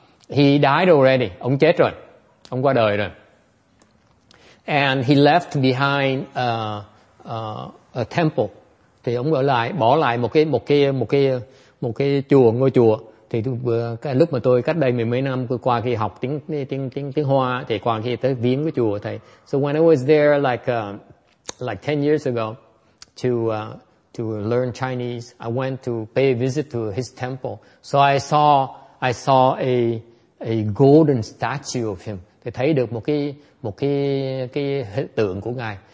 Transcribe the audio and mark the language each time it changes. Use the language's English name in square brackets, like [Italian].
[English] He died already, [Vietnamese] ông chết rồi, ông qua đời rồi. [English] And he left behind a temple, [Vietnamese] thì ông bỏ lại một cái chùa, ngôi chùa. Thì lúc mà tôi cách đây mười mấy năm qua khi học tiếng Hoa, thì qua khi tới viếng cái chùa thầy. [English] So when I was there like 10 years ago to learn Chinese, I went to pay a visit to his temple. So I saw a golden statue of him. [Vietnamese] Thì thấy được một cái hình tượng của ngài.